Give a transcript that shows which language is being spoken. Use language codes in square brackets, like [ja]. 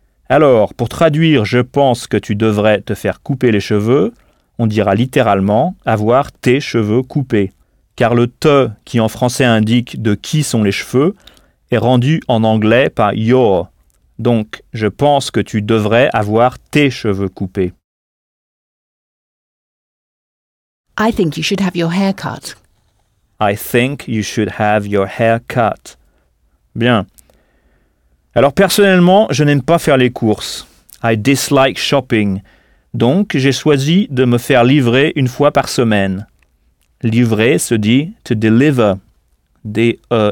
[fr] Alors, pour traduire « je pense que tu devrais te faire couper les cheveux », on dira littéralement « avoir tes cheveux coupés ». Car le « te » qui en français indique de qui sont les cheveux est rendu en anglais par « your ». Donc, « je pense que tu devrais avoir tes cheveux coupés ». [en] I think you should have your hair cut. I think you should have your hair cut. [fr] Bien. Alors personnellement, je n'aime pas faire les courses. [en] I dislike shopping. [fr] Donc, j'ai choisi de me faire livrer une fois par semaine. Livrer se dit [en] to deliver. [fr] D-E-L-I-V-E-R.